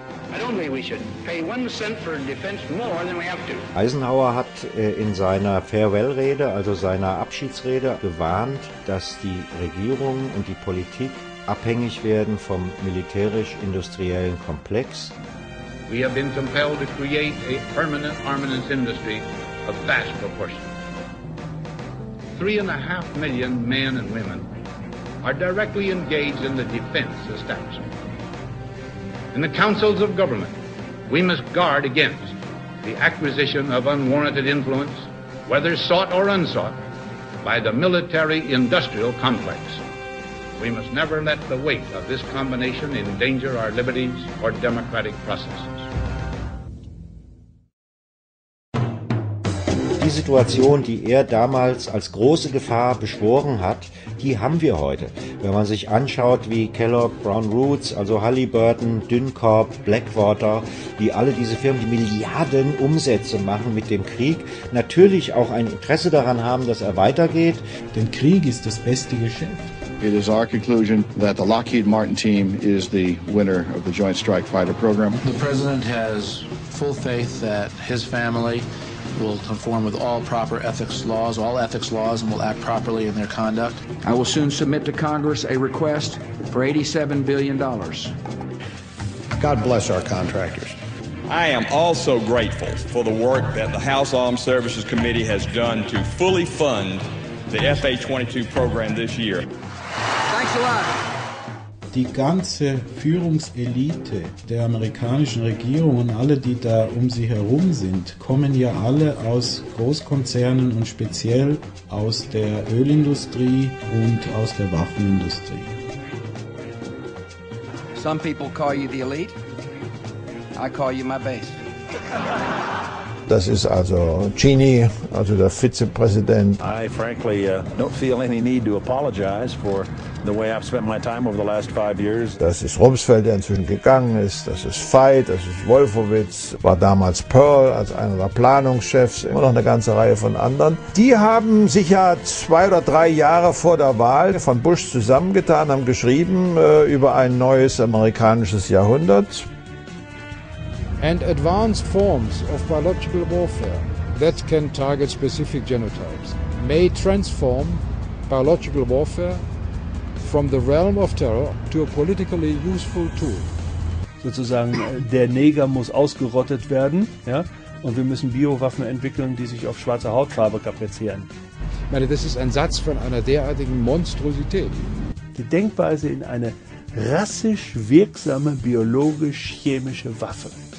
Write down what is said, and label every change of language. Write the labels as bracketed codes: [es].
[en] I don't think we should pay one cent for defense more than we have to. [de] Eisenhower hat in seiner Farewell-Rede, also seiner Abschiedsrede, gewarnt, dass die Regierung und die Politik abhängig werden vom militärisch-industriellen Komplex. [en] We have been compelled to create a permanent armaments industry of vast proportions. 3.5 million men and women are directly engaged in the defense establishment. In the councils of government, we must guard against the acquisition of unwarranted influence, whether sought or unsought, by the military-industrial complex. We must never let the weight of this combination endanger our liberties or democratic processes. [de] Die Situation, die damals als große Gefahr beschworen hat, die haben wir heute. Wenn man sich anschaut, wie Kellogg, Brown Roots, also Halliburton, Dyncorp, Blackwater, wie alle diese Firmen, die Milliarden Umsätze machen mit dem Krieg, natürlich auch ein Interesse daran haben, dass er weitergeht. Denn Krieg ist das beste Geschäft. [en] It is our conclusion that the Lockheed Martin team is the winner of the Joint Strike Fighter program. The president has full faith that his family will conform with all proper ethics laws, and will act properly in their conduct. I will soon submit to Congress a request for $87 billion. God bless our contractors. I am also grateful for the work that the House Armed Services Committee has done to fully fund the FA-22 program this year. Thanks a lot. [de] Die ganze Führungselite der amerikanischen Regierung und alle, die da um sie herum sind, kommen ja alle aus Großkonzernen und speziell aus der Ölindustrie und aus der Waffenindustrie. [en] Some people call you the elite. I call you my base. [de] Das ist also Cheney, also der Vizepräsident. [en] I frankly don't feel any need to apologize for the way I've spent my time over the last 5 years. [de] Das ist Rumsfeld, der inzwischen gegangen ist. Das ist Veit, das ist Wolfowitz, war damals Pearl als einer der Planungschefs, immer noch eine ganze Reihe von anderen. Die haben sich ja 2 oder 3 Jahre vor der Wahl von Bush zusammengetan, haben geschrieben über ein neues amerikanisches Jahrhundert. [en] And advanced forms of biological warfare that can target specific genotypes may transform biological warfare from the realm of terror to a politically useful tool. [de] Sozusagen der Neger muss ausgerottet werden, ja? Und wir müssen Biowaffen entwickeln, die sich auf schwarze Hautfarbe kaprizieren. Ich meine, das ist ein Satz von einer derartigen Monstrosität. Die Denkweise in eine rassisch wirksame biologisch-chemische Waffe.